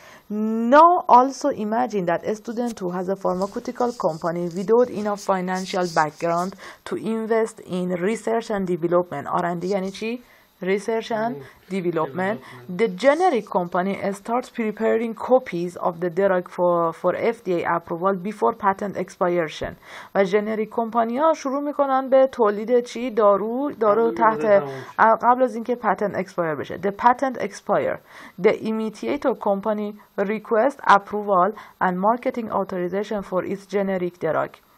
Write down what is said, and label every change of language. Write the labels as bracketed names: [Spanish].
[English] Now also imagine that a student who has a pharmaceutical company without enough financial background to invest in research and development. R&D [Persian] یعنی چی؟ [English] Research and development. The generic company starts preparing copies of the drug for FDA approval before patent expiration. [Persian] و generic کمپانی ها شروع میکنن به تولید چی؟ دارو تحت قبل از اینکه patent expire بشه. [English] The patent expire. The imitator company requests approval and marketing authorization for its generic drug.